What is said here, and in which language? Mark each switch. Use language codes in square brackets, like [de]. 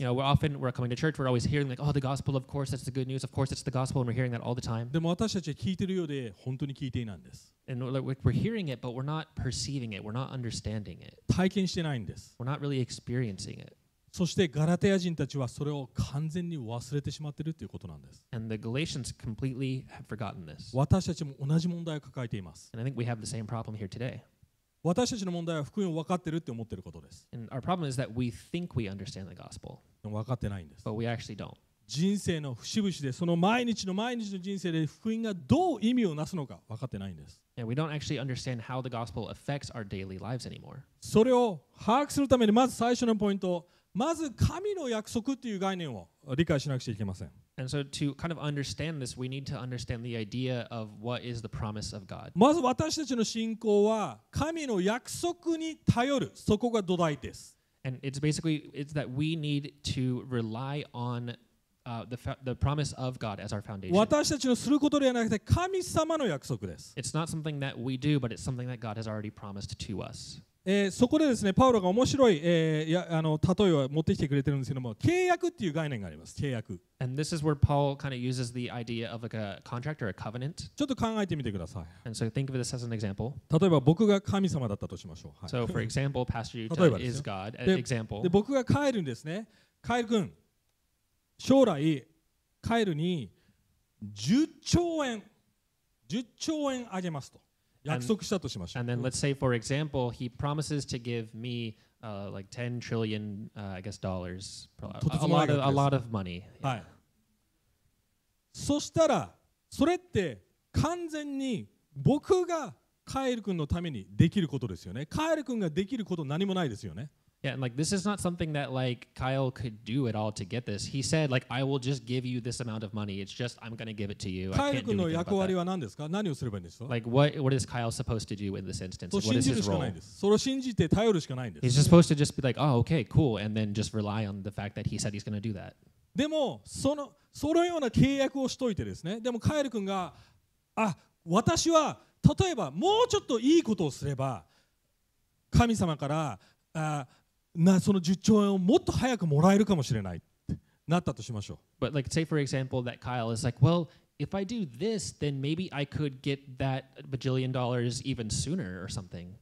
[en] You know, we're coming to church. We're always hearing like, oh, the gospel. Of course, that's the good news. Of course, it's the gospel, and we're hearing that all the time. [ja] でも私たちは聞いているようで本当に聞いていないんです。 [en] And we're hearing it, but we're not perceiving it. We're not understanding it. [ja] 体験してないんです。 [en] We're not really experiencing it. [ja] そしてガラテヤ人たちはそれを完全に忘れてしまっているということなんです。 [en] And the Galatians completely have forgotten this. [ja] 私たちも同じ問題を抱えています。 [en] And I think we have the same problem here today. [ja] 私たちの問題は福音を分かっているって思っていることです。 [en] And our problem is that we think we understand the gospel. [ja] 分かってないんです。 [en] But we actually don't. [ja] 人生の節々で、その毎日の毎日の人生で福音がどう意味をなすのか分かってないんです。 [en] Yeah, we don't actually understand how the gospel affects our daily lives anymore. [ja] それを把握するためにまず最初のポイント、まず神の約束という概念を理解しなくちゃいけません。 [en] And so to kind of understand this, we need to understand the idea of what is the promise of God. [ja] まず私たちの信仰は神の約束に頼る。そこが土台です。 [en] And it's basically it's that we need to rely on the promise of God as our foundation. [ja] 私たちのすることではなくて神様の約束です。 [en] It's not something that we do, but it's something that God has already promised to us. [ja] そこでですね、パウロが面白い、例えを持ってきてくれてるんですけども、契約っていう概念があります。契約。 [en] And this is where Paul kind of uses the idea of like a contract or a covenant. [ja] ちょっと考えてみてください。 [en] And so think of this as an example. [ja] 例えば僕が神様だったとしましょう。 [en] はい、so for example, Pastor Yuta is God. An example. [ja] で、僕がカエルにですね、カエル君、将来カエルに10兆円あげますと。 [en] And then let's say, for example, he promises to give me like 10 trillion, I guess, dollars. A lot of money. Yeah. はい。 [ja] そしたら、それって完全に僕がカエル君のためにできることですよね。カエル君ができること何もないですよね。 [en] Yeah, and like this is not something that like Kyle could do at all to get this. He said like I will just give you this amount of money. It's just I'm gonna give it to you. I can't do anything about that. [ja] Kyle 君の役割は何ですか？何をすればいいんですか？ [en] Like what is Kyle supposed to do in this instance? What is his role? [ja] それを信じて頼るしかないんです。 [en] He's just supposed to just be like, oh, okay, cool, and then just rely on the fact that he said he's gonna do that. [ja] でもそのような契約をしといてですね。でも Kyle 君が、あ、私は例えばもうちょっといいことをすれば神様から、なその10兆円をもっと早くもらえるかもしれないってなったとしましょう。 [en] But like say for example that Kyle is like, well, if I do this, then maybe I could get that bajillion dollars even sooner or something.